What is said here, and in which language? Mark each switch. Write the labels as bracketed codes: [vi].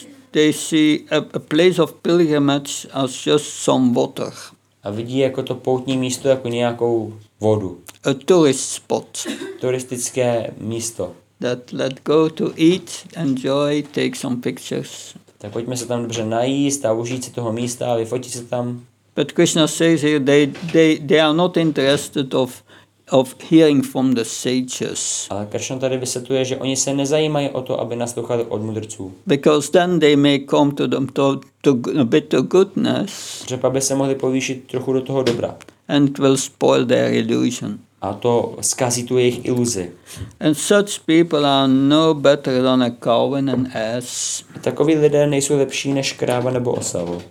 [en] They see a place of pilgrimage as just some water. [cs] A vidí jako to poutní místo jako nějakou vodu. [en] A tourist spot. [cs] Turistické místo. [en] That let go to eat, enjoy, take some pictures. [cs] Tak pojďme se tam dobře najíst a užít si toho místa a vyfotit se tam. [en] But Krishna says here they are not interested of hearing from the sages. [cs] Ale Krishna tady vysvětluje, že oni se nezajímají o to, aby naslouchali od mudrců. [en] Because then they may come to them to a bit to goodness. [cs] Že by se mohli povýšit trochu do toho dobra. [en] And it will spoil their illusion. [cs] A to zkazí tu jejich iluzi. [en] And such people are no better than a cow and an ass. [cs] A takoví lidé nejsou lepší než kráva nebo osavo.